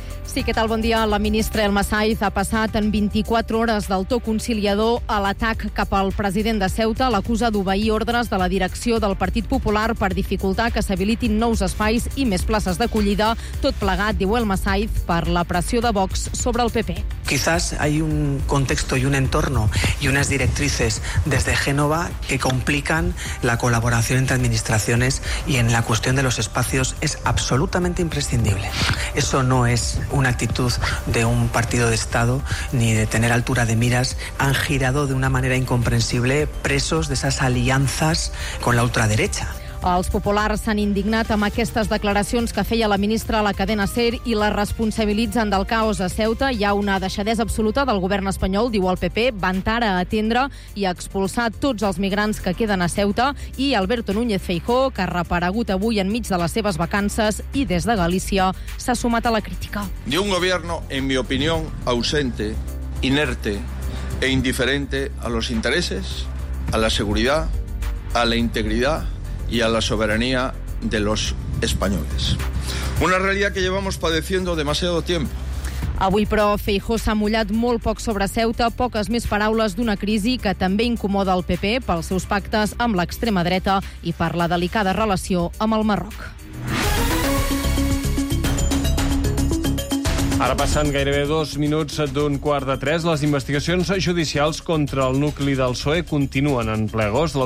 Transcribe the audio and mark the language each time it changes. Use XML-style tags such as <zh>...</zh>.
<ca>Sí, què tal? Bon dia. La ministra Elma Saiz ha passat en 24 hores del to conciliador a l'atac cap al president de Ceuta. L'acusa d'obeir ordres de la direcció del Partit Popular per dificultar que s'habilitin nous espais i més places d'acollida. Tot plegat, diu Elma Saiz, per la pressió de Vox sobre el PP.</ca> <es>Quizás hay un contexto y un entorno y unas directrices desde Génova que complican la colaboración entre administraciones y en la cuestión de los espacios es absolutamente imprescindible. Eso no es una actitud de un partido de Estado ni de tener altura de miras. Han girado de una manera incomprensible presos de esas alianzas con la ultraderecha.</es> <ca>Els populars s'han indignat amb aquestes declaracions que feia la ministra a la cadena SER i la responsabilitzen del caos a Ceuta. Hi ha una deixadesa absoluta del govern espanyol, diu el PP, ventar a atendre i a expulsar tots els migrants que queden a Ceuta. I Alberto Núñez Feijóo, que ha reaparegut avui enmig de les seves vacances i des de Galícia, s'ha sumat a la crítica.</ca> <es>De un gobierno, en mi opinión, ausente, inerte e indiferente a los intereses, a la seguridad, a la integridad y a la soberanía de los españoles. Una realidad que llevamos padeciendo demasiado tiempo.</es> <ca>Avui, però, Feijóo s'ha mullat molt poc sobre Ceuta, poques més paraules d'una crisi que també incomoda el PP pels seus pactes amb l'extrema dreta i per la delicada relació amb el Marroc. Ara passant gairebé dos minuts d'un quart de tres, les investigacions judicials contra el nucli del PSOE continuen en ple agost.</ca>